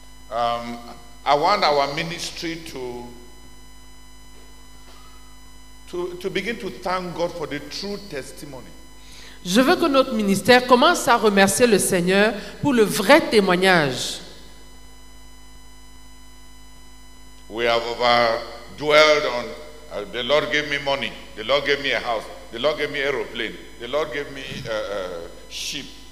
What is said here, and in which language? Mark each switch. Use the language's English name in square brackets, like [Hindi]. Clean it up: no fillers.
[English] I want our ministry to begin to thank God for the true testimony. [French] Je veux que notre ministère commence à remercier le Seigneur pour le vrai témoignage. [English] We have dwelled on the Lord gave me money, the Lord gave me a house, the Lord gave me aeroplane, the Lord gave me sheep.